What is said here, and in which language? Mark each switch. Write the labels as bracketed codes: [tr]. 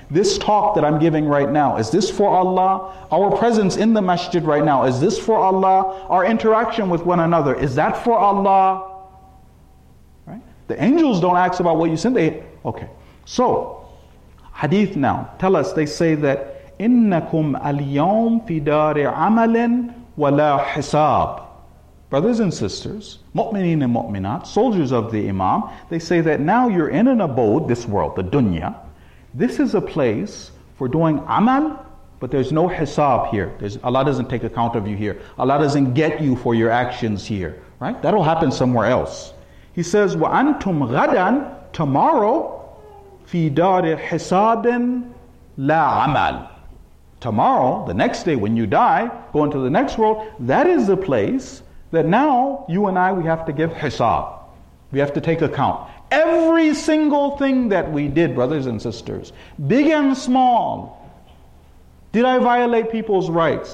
[en] This talk that I'm giving right now, is this for Allah? Our presence in the masjid right now, is this for Allah? Our interaction with one another, is that for Allah? Right? The angels don't ask about what you sin. They, okay. So, hadith now, tell us, they say that [ar] إنكم اليوم في دار عمل ولا حساب. [en] Brothers and sisters, mu'mineen and mu'minat, soldiers of the imam, they say that now you're in an abode, this world, the dunya. This is a place for doing amal, but there's no hisab here. Allah doesn't take account of you here. Allah doesn't get you for your actions here, right? That'll happen somewhere else. He says, [ar] وَأَنْتُمْ غَدًا [en] tomorrow, [ar] فِي دَارِ حِسَابٍ لَا عَمَلٍ. [en] Tomorrow, the next day when you die, go into the next world, that is the place that now you and I, we have to give hisab. We have to take account. Every single thing that we did, brothers and sisters, big and small, did I violate people's rights?